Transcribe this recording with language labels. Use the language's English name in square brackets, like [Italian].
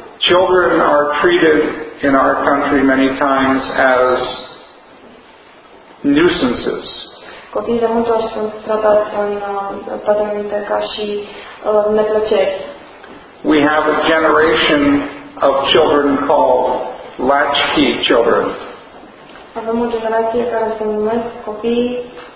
[English] Children are treated in our country many times as nuisances. [Romanian] Copiii de multe ori sunt tratați în Statele Unite ca și neplăceri. [English] We have a generation of children called latchkey children. [Romanian] Avem o generație care se numesc copii